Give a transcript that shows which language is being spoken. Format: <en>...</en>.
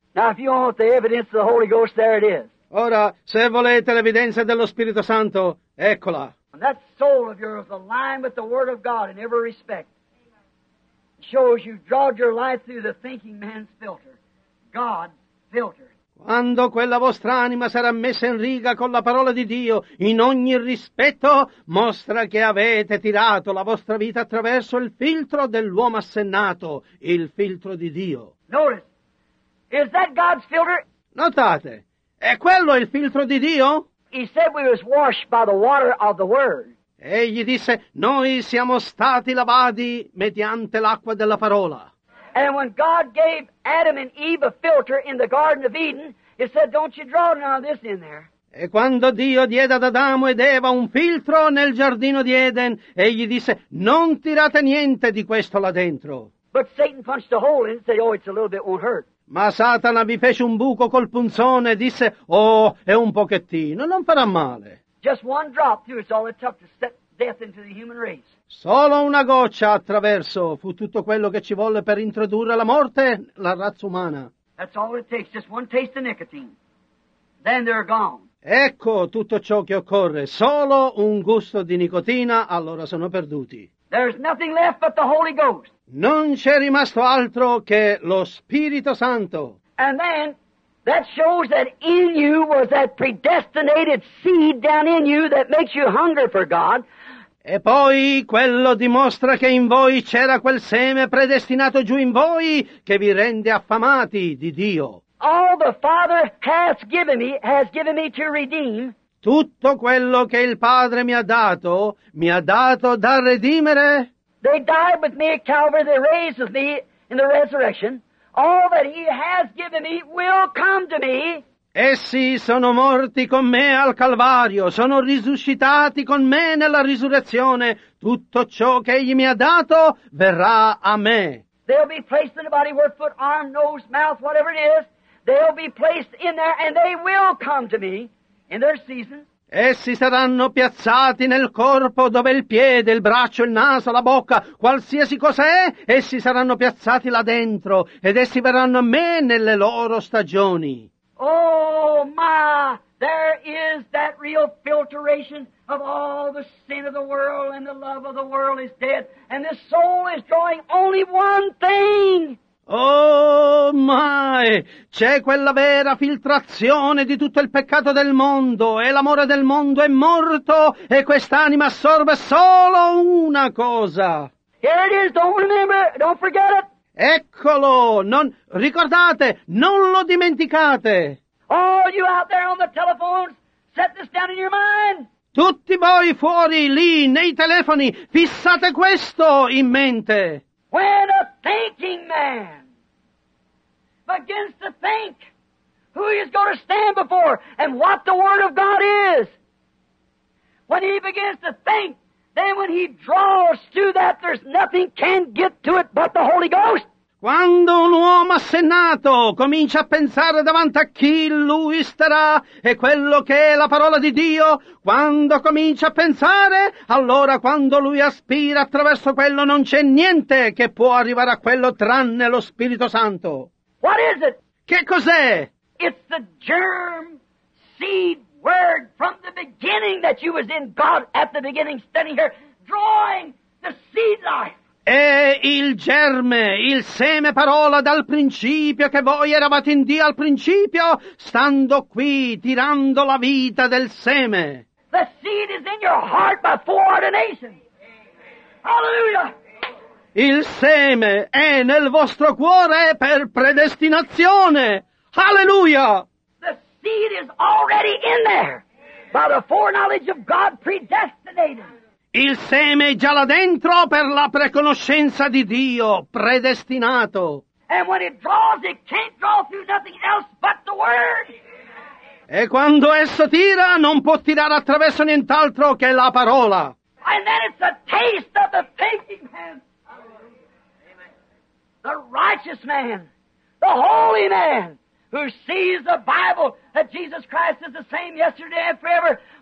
<en>Now, if you want the evidence of the Holy Ghost, there it is.</en> <it>Ora, se volete l'evidenza dello Spirito Santo, eccola.</it> <en>And that soul of yours aligned with the Word of God in every respect shows you've drawn your life through the thinking man's filter, God's filter.</en> <it>Quando quella vostra anima sarà messa in riga con la parola di Dio, in ogni rispetto, mostra che avete tirato la vostra vita attraverso il filtro dell'uomo assennato, il filtro di Dio.</it> <en>Notice, is that God's filter?</en> <it>Notate, è quello il filtro di Dio?</it> <en>He said we was washed by the water of the Word.</en> <it>Egli disse, noi siamo stati lavati mediante l'acqua della parola.</it> <en>And when God gave Adam and Eve a filter in the Garden of Eden, He said, "Don't you draw none of this in there."</en> <it>E quando Dio diede ad Adamo ed Eva un filtro nel giardino di Eden, egli disse, "Non tirate niente di questo là dentro."</it> <en>But Satan punched a hole in it and said, "Oh, it's a little bit, won't hurt."</en> <it>Ma Satana vi fece un buco col punzone e disse, "Oh, è un pochettino, non farà male."</it> <en>Just one drop through is all it took to set death into the human race.</en> <it>Solo una goccia attraverso fu tutto quello che ci volle per introdurre la morte la razza umana.</it> <en>That's all it takes, just one taste of nicotine. Then they're gone.</en> <it>Ecco tutto ciò che occorre, solo un gusto di nicotina, allora sono perduti.</it> <en>There's nothing left but the Holy Ghost.</en> <it>Non c'è rimasto altro che lo Spirito Santo.</it> <en>And then that shows that in you was that predestinated seed down in you that makes you hunger for God.</en> <it>E poi quello dimostra che in voi c'era quel seme predestinato giù in voi che vi rende affamati di Dio.</it> <en>All the Father has given me to redeem.</en> <it>Tutto quello che il Padre mi ha dato da redimere.</it> <en>They died with me at Calvary, they raised with me in the resurrection. All that He has given me will come to me.</en> <it>Essi sono morti con me al Calvario, sono risuscitati con me nella risurrezione. Tutto ciò che Egli mi ha dato verrà a me.</it> <en>They'll be placed in the body, where foot, arm, nose, mouth, whatever it is. They'll be placed in there and they will come to me in their season.</en> <it>Essi saranno piazzati nel corpo dove il piede, il braccio, il naso, la bocca, qualsiasi cosa è, essi saranno piazzati là dentro ed essi verranno a me nelle loro stagioni.</it> <en>Oh, my, there is that real filtration of all the sin of the world and the love of the world is dead, and the soul is drawing only one thing. Oh, my,</en> <it>c'è quella vera filtrazione di tutto il peccato del mondo, e l'amore del mondo è morto, e quest'anima assorbe solo una cosa.</it> <en>Here it is, don't remember, don't forget it.</en> <it>Eccolo, non ricordate, non lo dimenticate.</it> <en>All you out there on the telephones, set this down in your mind.</en> <it>Tutti voi fuori lì nei telefoni, fissate questo in mente.</it> <en>When a thinking man begins to think, who he is going to stand before and what the Word of God is. When he begins to think, then when he draws to that, there's nothing can get to it but the Holy Ghost.</en> <it>Quando un uomo assennato comincia a pensare davanti a chi lui starà e quello che è la parola di Dio, quando comincia a pensare, allora quando lui aspira attraverso quello non c'è niente che può arrivare a quello tranne lo Spirito Santo.</it> <en>What is it?</en> <it>Che cos'è?</it> <en>It's the germ seed word from the beginning that you was in God at the beginning standing here drawing the seed life.</en> <it>È il germe, il seme parola dal principio che voi eravate in Dio al principio, stando qui, tirando la vita del seme.</it> <en>The seed is in your heart by foreordination. Hallelujah!</en> <it>Il seme è nel vostro cuore per predestinazione. Alleluia!</it> <en>The seed is already in there by the foreknowledge of God predestinated.</en> <it>Il seme è già là dentro per la preconoscenza di Dio predestinato.</it> <en>And when it draws, it can't draw through nothing else but the word.</en> <it>E quando esso tira, non può tirare attraverso nient'altro che la parola.</it> <en>And then it's a taste of the thinking man. The righteous man, the holy man, who sees the Bible that Jesus Christ is the same yesterday and forever.</en>